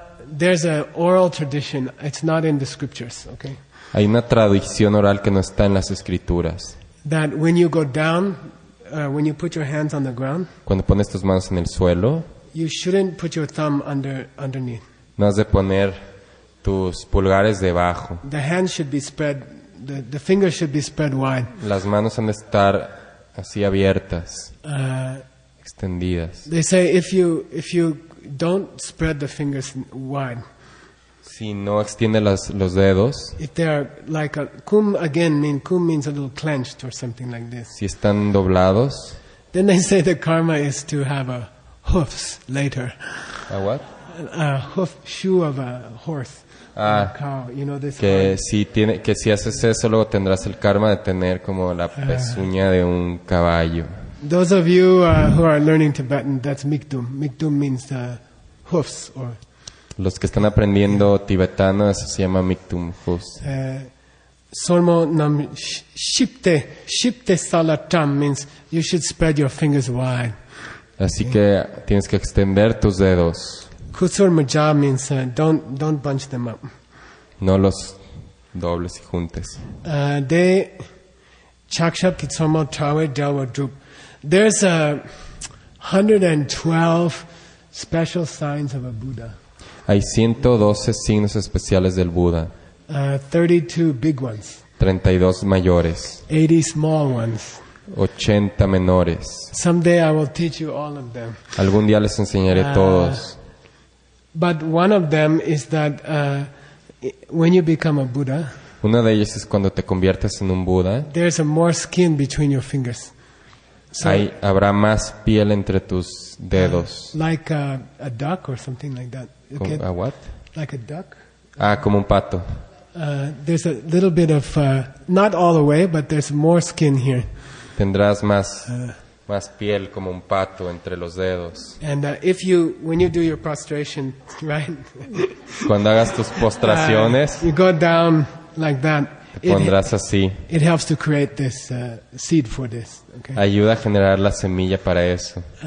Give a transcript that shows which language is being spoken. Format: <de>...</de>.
<en>There's an oral tradition. It's not in the scriptures, okay?</en> <es>Hay una tradición oral que no está en las escrituras.</es> <en>That when you go down, when you put your hands on the ground,</en> <es>cuando pones tus manos en el suelo,</es> <en>you shouldn't put your thumb underneath.</en> <es>No has de poner tus pulgares debajo.</es> <en>The hands should be spread. The fingers should be spread wide.</en> <es>Las manos han de estar así abiertas, extendidas.</es> <en>They say if you don't spread the fingers wide.</en> <es>Si no extiende los dedos.</es> <en>If they are like a kum again, mean kum means a little clenched or something like this.</en> <es>Si están doblados.</es> <en>Then they say the karma is to have a hoofs later. A what? A hoof shoe of a horse. Ah, cow, you know, this</en> <es>que si tiene, que si haces eso luego tendrás el karma de tener como la pezuña de un caballo.</es> <en>Those of you who are learning Tibetan, that's mikdum. Mikdum means the hoofs. Or</en> <es>los que están aprendiendo tibetano, eso se llama mikdum, hoofs.</es> <bo>Sormo nam shipte, shipte salatam</bo> <en>means you should spread your fingers wide.</en> <es>Así que tienes que extender tus dedos.</es> <bo>Kusur maja</bo> <en>means don't bunch them up.</en> <es>No los dobles y juntes.</es> <bo>De chakshab kitsomo tawe delwa drup.</bo> <en>There's 112 special signs of a Buddha.</en> <es>Hay 112 signos especiales del Buddha.</es> <en>32 big ones.</en> <es>32 mayores.</es> <en>80 small ones.</en> <es>80 menores.</es> <en>Someday I will teach you all of them.</en> <es>Algún día les enseñaré todos.</es> <en>But one of them is that when you become a Buddha,</en> <es>una de ellas es cuando te conviertes en un Buddha,</es> <en>there's a more skin between your fingers.</en> <es>So, habrá más piel entre tus dedos.</es> <en>Like a duck or something like that. Okay? A what? Like a duck.</en> <es>Ah, como un pato.</es> <en>There's a little bit of, not all the way, but there's more skin here.</en> <es>Tendrás más más piel como un pato entre los dedos.</es> <en>And if you, when you do your prostration, right?</en> <es>Cuando hagas tus postraciones,</es> <en>you go down like that.</en> <es>Te pondrás así.</es> <en>It helps to create this seed for this. Okay.</en> <es>Ayuda a generar la semilla para eso.</es>